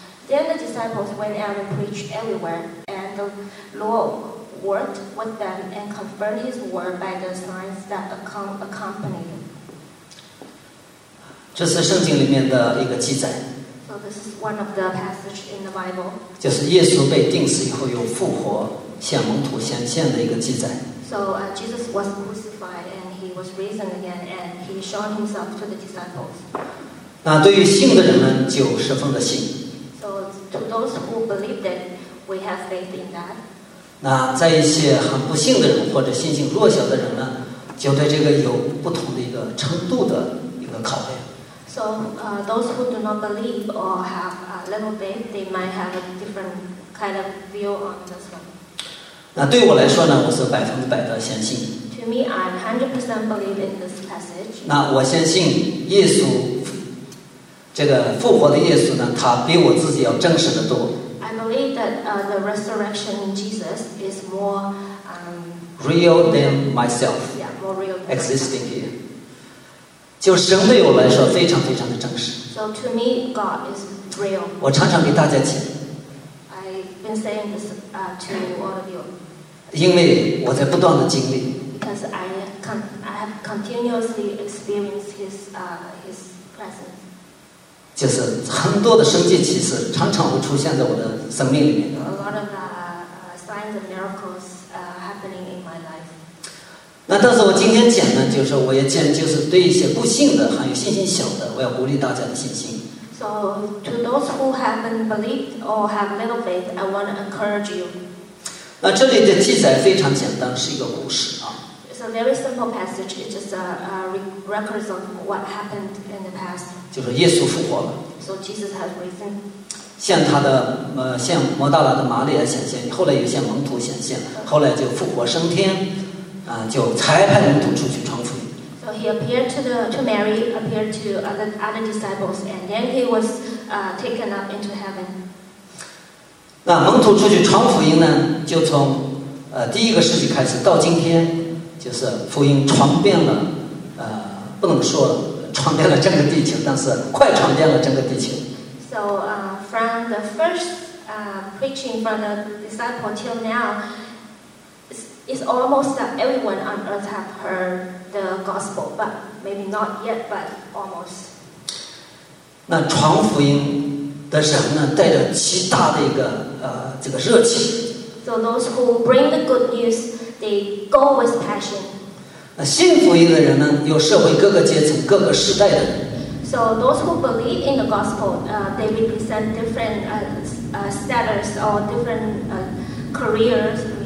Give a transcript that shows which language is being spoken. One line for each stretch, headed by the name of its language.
English: Then the disciples went out and preached everywhere, and the Lord worked with them and confirmed his word by the signs that accompanied him. So this is one of the passages in the Bible.
Chinese: 就是耶稣被钉死以后又复活向门徒显现的一个记载。
English: Jesus was crucified and he was risen again and he showed himself to the disciples.
Chinese: 那对于信的人们就十分的信。
English: So to those who believed it, we have faith in that.
Chinese: 那在一些很不信的人或者信心弱小的人呢，就对这个有不同的一个程度的一个考验。
English: So those who do not believe or have a little faith, they might have a different kind of view on this one.
Chinese: 那对我来说呢，我是百分之百的相信。
English: To me, I 100% believe in this passage.
Chinese: 那我相信耶稣，这个复活的耶稣呢，他比我自己要真实的多。
English: I believe that the resurrection in Jesus is more real than myself. Yeah, more real. Existing here.
Chinese: 就神对我来说非常非常的真实。
English: So to me, God is real.
Chinese: 我常常给大家讲。
English: I've been saying this to all of you.
Chinese: 因为我在不断的经历。
English: Because I have continuously experienced his presence.
Chinese: 就是很多的神迹奇事常常会出现在我的生命里面。
English: A lot of signs and miracles happening in my life.
Chinese: 那但是我今天讲呢，就是我也讲，就是对一些不信的，还有信心小的，我要鼓励大家的信心。
English: So to those who haven't believed or have little faith, I want to encourage you.
Chinese: 那这里的记载非常简单，是一个故事啊。
English: It's a very simple passage. It's just a records of what happened in the past.
Chinese: 就是耶稣复活了。
English: So Jesus has risen.
Chinese: 向他的向抹大拉的玛利亚显现，后来又向门徒显现，后来就复活升天。就才派门徒出去传福音。
English: So he appeared to Mary, appeared to other disciples, and then he was taken up into heaven.
Chinese: 那门徒出去传福音呢，就从第一个世纪开始到今天，就是福音传遍了不能说传遍了整个地球，但是快传遍了整个地球。
English: So from the first preaching from the disciple till now. It's almost that everyone on earth have heard the gospel, but maybe not yet, but almost.
Chinese: 那传福音的人呢，带着极大的一个这个热情。
English: So those who bring the good news, they go with passion.
Chinese: 那信福音的人呢，有社会各个阶层、各个时代的人。
English: So those who believe in the gospel, they represent different status or different careers.